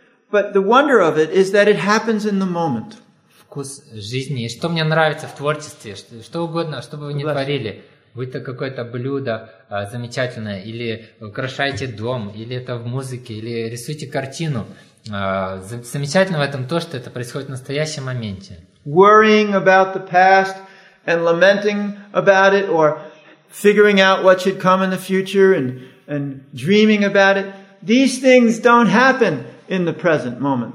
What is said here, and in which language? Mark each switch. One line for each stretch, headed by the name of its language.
English: But the wonder of it is that it happens in the moment.
Russian: Вкус жизни. И что мне нравится в творчестве? Что угодно, что бы вы ни творили. Будь-то какое-то блюдо замечательное, или украшайте дом, или это в музыке, или рисуйте картину. Замечательно в этом то, что это происходит в настоящем моменте.
English: Worrying about the past and lamenting about it, or figuring out what should come in the future and dreaming about it. These things don't happen in the present moment.